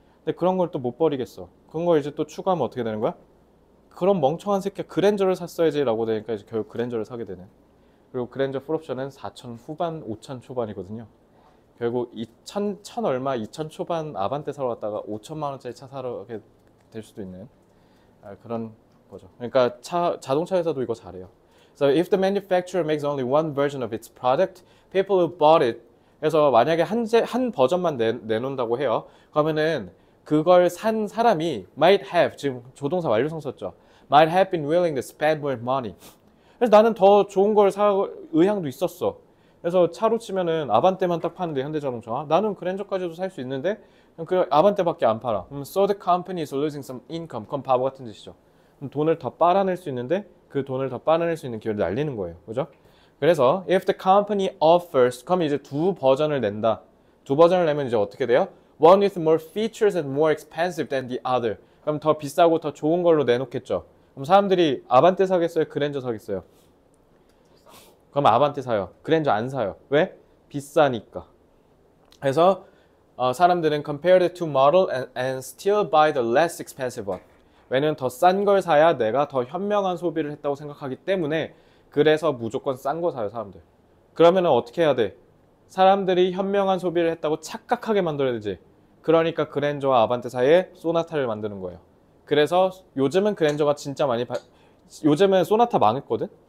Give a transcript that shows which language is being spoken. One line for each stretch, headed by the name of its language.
Korean: 근데 그런 걸또못 버리겠어. 그런 걸 이제 또 추가하면 어떻게 되는 거야? 그런 멍청한 새끼야, 그랜저를 샀어야지라고 되니까 이제 결국 그랜저를 사게 되네. 그리고 그랜저 풀옵션은 4천 후반, 5천 초반이거든요. 결국 1천 얼마, 2천 초반 아반떼 사러 갔다가 5천만 원짜리 차 사러 가게 될 수도 있는 그런 거죠. 그러니까 자동차 회사도 이거 잘해요.
English: So if the manufacturer makes only one version of its product, people who bought it.
Korean: 그래서 만약에 한 버전만 내놓는다고 해요. 그러면은 그걸 산 사람이
English: might have,
Korean: 지금 조동사 완료성 썼죠.
English: Might have been willing to spend more money.
Korean: 그래서 나는 더 좋은 걸사 의향도 있었어. 그래서 차로 치면은 아반떼만 딱 파는데 현대자동차. 나는 그랜저까지도 살수 있는데 그 아반떼밖에 안 팔아.
English: So the company is losing some income.
Korean: 그건 바보 같은 짓이죠. 돈을 더 빨아낼 수 있는데 그 돈을 더 빨아낼 수 있는 기회를 날리는 거예요. 그죠? 그래서
English: if the company offers,
Korean: 그럼 이제 두 버전을 낸다. 두 버전을 내면 이제 어떻게 돼요?
English: One with more features and more expensive than the other.
Korean: 그럼 더 비싸고 더 좋은 걸로 내놓겠죠. 그럼 사람들이 아반떼 사겠어요? 그랜저 사겠어요? 그럼 아반떼 사요. 그랜저 안 사요. 왜? 비싸니까. 그래서 사람들은
English: compare the two model and still buy the less expensive one.
Korean: 왜냐면 더싼걸 사야 내가 더 현명한 소비를 했다고 생각하기 때문에 그래서 무조건 싼거 사요, 사람들. 그러면은 어떻게 해야 돼? 사람들이 현명한 소비를 했다고 착각하게 만들어야 되지. 그러니까 그랜저와 아반떼 사이에 쏘나타를 만드는 거예요. 그래서 요즘은 그랜저가 진짜 많이 요즘은 쏘나타 망했거든?